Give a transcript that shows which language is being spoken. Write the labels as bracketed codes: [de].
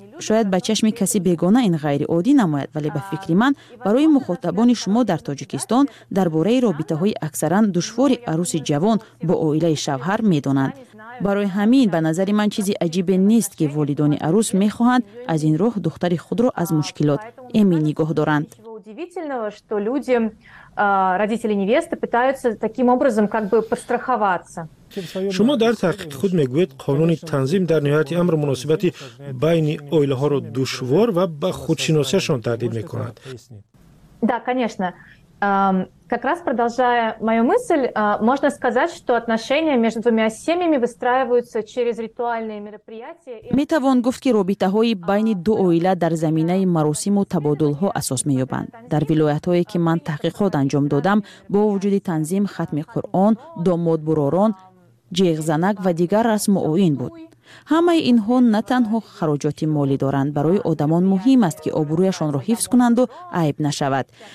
[fa] شاید به چشم کسی بیگانه این غیر عادی نماید، ولی به فکری من برای مخاطبان شما در تاجیکستان درباره رابطه های اکثرا دشوار عروس جوان با آیله شوهر می دانند. برای همین به نظر من چیزی عجیب نیست که والدین عروس می خواهند از این روح دختر خود را از مشکلات ایمن نگاه دارند. [ru] родители невесты пытаются таким образом как бы подстраховаться. [tg] Шумо дар таҳқиқ худ мегӯед қонуни танзим дар ниҳояти амр муносибати байни оилаҳоро душвор ва ба худшиносиашон таҳдид мекунад. [ru] Да, конечно. Как раз продолжая мою мысль, можно сказать, что отношения между двумя семьями выстраиваются через ритуальные мероприятия. [tg] Метавон гуфт ки робитаҳои байни ду оила дар заминаи маросиму табодулҳо асос меёбанд. Дар вилоятҳое ки ман таҳқиқот анҷом додам, бо вуҷуди танзим хатми Қуръон, домод буророн, ҷиғзанак ва дигар расму оин буд. [fa] همه اینها نه تنها خراجات مالی دارند، برای آدمان مهم است که آبرویشان را حفظ کنند و عیب نشود.